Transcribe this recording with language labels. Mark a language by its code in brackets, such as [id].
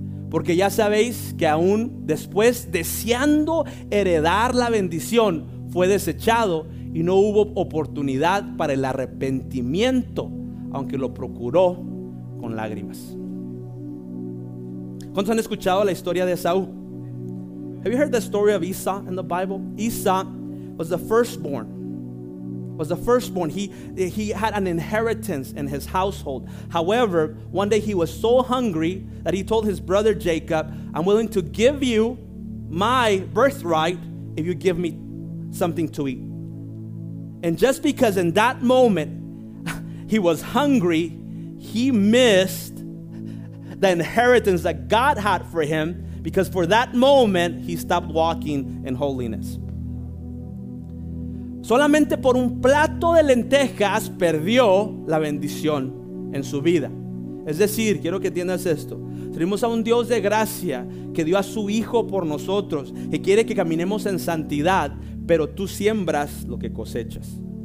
[es] Porque ya sabéis que aún después, deseando heredar la bendición, fue desechado y no hubo oportunidad para el arrepentimiento, aunque lo procuró con lágrimas. ¿Cuántos han escuchado la historia de Esaú? [en] Have you heard the story of Esau in the Bible? Esau was the firstborn. He had an inheritance in his household. However, one day he was so hungry that he told his brother Jacob, I'm willing to give you my birthright if you give me something to eat. And just because in that moment he was hungry, he missed the inheritance that God had for him. Because for that moment, he stopped walking in holiness. [es] Solamente por un plato de lentejas perdió la bendición en su vida. Es decir, quiero que entiendas esto. Tenemos a un Dios de gracia que dio a su Hijo por nosotros, que quiere que caminemos en santidad, pero tú siembras lo que cosechas.